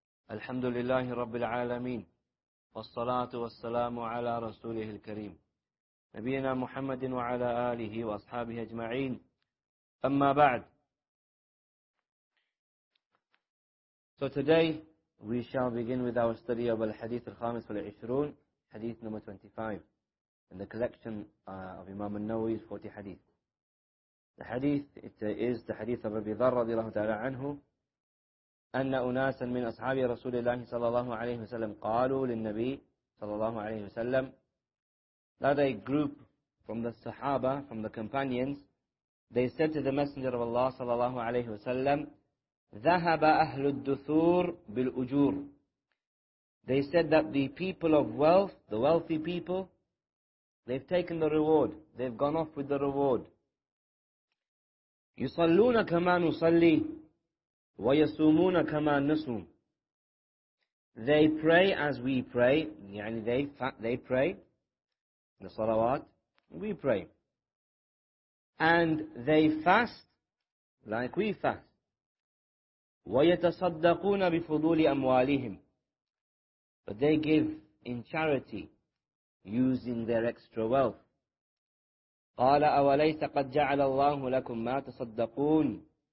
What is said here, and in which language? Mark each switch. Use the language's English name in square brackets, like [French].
[Arabic] الحمد لله رب العالمين، والصلاة والسلام على رسوله الكريم نبينا محمد وعلى آله وأصحابه أجمعين، أما بعد. [English] So today we shall begin with our study of [Arabic] الحديث الخامس والعشرون, [English] حديث number 25 in the collection of Imam al-Nawawi's 40 hadith. The hadith, it is the hadith of Abi Dharr [Arabic] رضي الله تعالى عنه, أن أناسا من أصحاب رسول الله صلى الله عليه وسلم قالوا للنبي صلى الله عليه وسلم, [English] that a group from the Sahaba, from the companions, they said to the Messenger of Allah [Arabic] صلى الله عليه وسلم, ذهب أهل الدثور بالأجور. [English] They said that the people of wealth, the wealthy people, they've taken the reward, they've gone off with the reward. [Arabic] يصلون كما نصلي ويصومون كما نصوم. [English] They pray as we pray, [Arabic] يعني [English] they pray the salawat, we pray, and they fast like we fast. [Arabic] ويتصدقون بفضول أموالهم, [English] but they give in charity using their extra wealth. [Arabic] قال أوليس قد جعل الله لكم ما تصدقون.